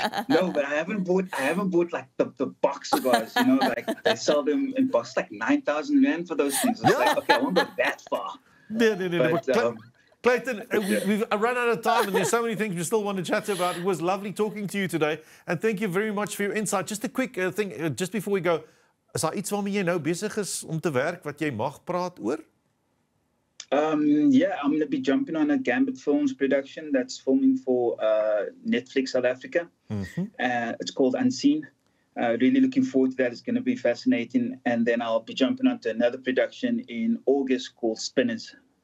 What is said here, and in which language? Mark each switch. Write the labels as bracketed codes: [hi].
[en] No, but I haven't bought like the box cigars. You know, like they sell them in box, like 9,000 rand for those things. It's like, okay, I won't go that far. Clayton, we've run out of time and there's so many things we still want to chat about. It was lovely talking to you today. And thank you very much for your insight. Just a quick thing, just before we go. Is there [af] iets waarmee jy nou besig is om te werk wat jy mag praat oor? [en] I'm going to be jumping on a Gambit Films production that's filming for Netflix South Africa. Mm-hmm. It's called Unseen. Really looking forward to that. It's going to be fascinating. And then I'll be jumping on to another production in August called Spinners.